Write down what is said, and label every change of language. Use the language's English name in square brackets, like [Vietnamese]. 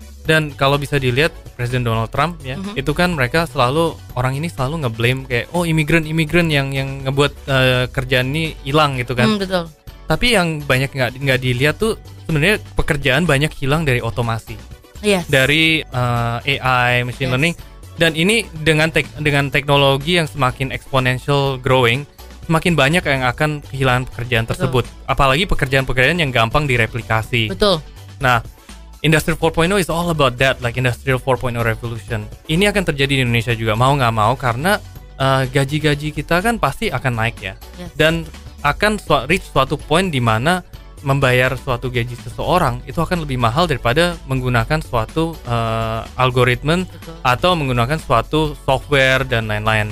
[Indonesian] Dan kalau bisa dilihat Presiden Donald Trump ya, itu kan mereka selalu, orang ini selalu nge-blame kayak imigran-imigran yang ngebuat kerjaan ini hilang gitu kan. Betul. Tapi yang banyak enggak dilihat tuh sebenarnya pekerjaan banyak hilang dari otomasi. [English] Yes. [Indonesian] Dari [English] AI, machine learning. [Indonesian] Dan ini dengan teknologi yang semakin exponential growing, semakin banyak yang akan kehilangan pekerjaan tersebut. Apalagi pekerjaan-pekerjaan yang gampang direplikasi. Betul. Nah, [English] Industrial 4.0 is all about that, like Industrial 4.0 revolution. [Indonesian] Ini akan terjadi di Indonesia juga, mau gak mau, karena gaji-gaji kita kan pasti akan naik ya. [English] Yes. [Indonesian] Dan akan reach suatu point di mana membayar suatu gaji seseorang itu akan lebih mahal daripada menggunakan suatu algoritma atau menggunakan suatu software dan lain-lain.